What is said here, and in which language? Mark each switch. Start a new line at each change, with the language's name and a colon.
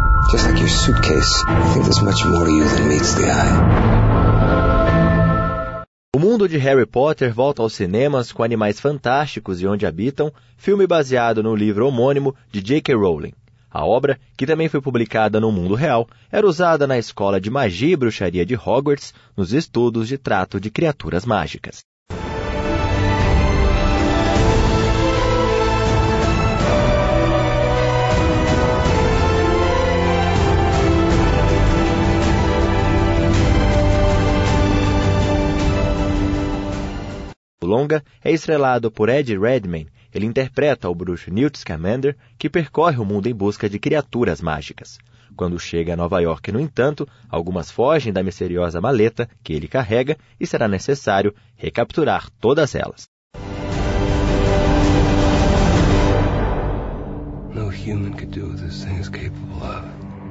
English: Just like your suitcase, I think there's much more to you than meets the eye.
Portuguese: O mundo de Harry Potter volta aos cinemas com Animais Fantásticos e Onde Habitam, filme baseado no livro homônimo de J.K. Rowling. A obra, que também foi publicada no mundo real, era usada na escola de magia e bruxaria de Hogwarts nos estudos de trato de criaturas mágicas. O longa é estrelado por Eddie Redmayne. Ele interpreta o bruxo Newt Scamander, que percorre o mundo em busca de criaturas mágicas. Quando chega a Nova York, no entanto, algumas fogem da misteriosa maleta que ele carrega e será necessário recapturar todas elas.
English: No human could do what this thing is capable of.